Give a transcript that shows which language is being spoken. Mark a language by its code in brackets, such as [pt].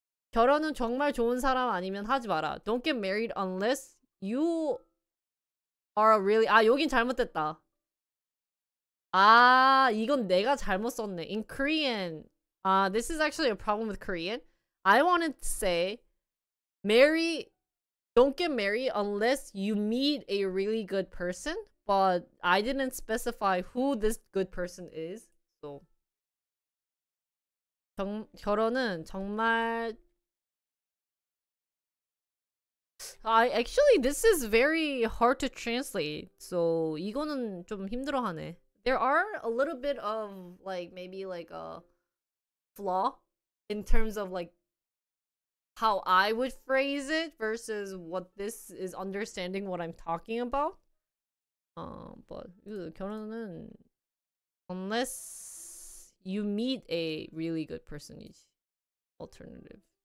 [ko] 결혼은 정말 좋은 사람 아니면 하지 마라. [en] Don't get married unless you are a really... [ko] 아, 여긴 잘못됐다. 아, 이건 내가 잘못 썼네. [en] In Korean, this is actually a problem with Korean. I wanted to say, don't get married unless you meet a really good person. but I didn't specify who this good person is. So [ko] 결혼은 정말 [en] I actually this is very hard to translate. [ko] So 이거는 좀 힘들어하네. [en] There are a little bit of like maybe like a flaw in terms of like how I would phrase it versus what this is understanding what I'm talking about. But 결혼은 unless you meet a really good person is alternative.